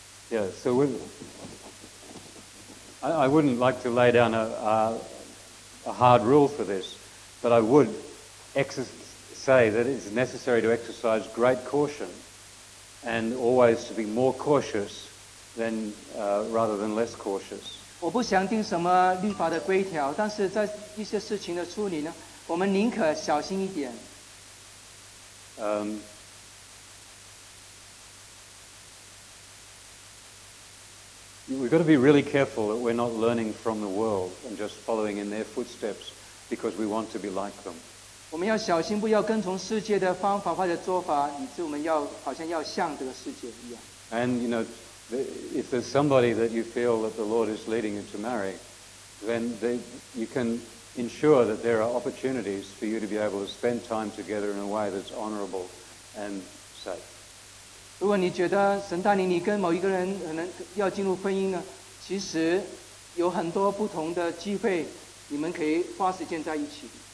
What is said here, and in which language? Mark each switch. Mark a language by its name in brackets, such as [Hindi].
[English] Yeah, so I wouldn't like to lay down a hard rule for this, but I would say that it's necessary to exercise great caution and always to be more cautious than, rather than less cautious. [Chinese] 我不想定什么律法的规条，但是在一些事情的处理呢，我们宁可小心一点。 [English] We've got to be really careful that we're not learning from the world and just following in their footsteps because we want to be like them. [Chinese] 我们要小心，不要跟从世界的方法或者做法，以致我们要好像要像这个世界一样。 [English] And you know, if there's somebody that you feel that the Lord is leading you to marry, then you can ensure that there are opportunities for you to be able to spend time together in a way that's honorable and safe. [Chinese] 如果你觉得神带领你跟某一个人可能要进入婚姻呢，其实有很多不同的机会，你们可以花时间在一起。